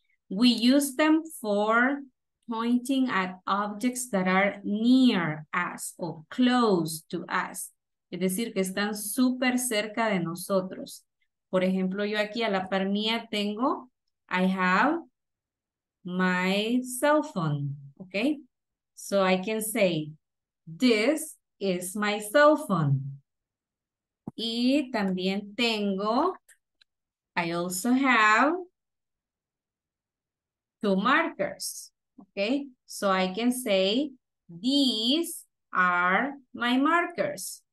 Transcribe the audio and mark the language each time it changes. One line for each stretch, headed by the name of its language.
English: We use them for pointing at objects that are near us o close to us.
Spanish: Es decir, que están súper cerca de nosotros. Por ejemplo, yo aquí a la par mía tengo,
English: I have my cell phone,
Spanish: ¿ok?
English: So I can say, this is my cell phone.
Spanish: Y también tengo,
English: I also have two markers, ¿ok? So I can say, these are my markers.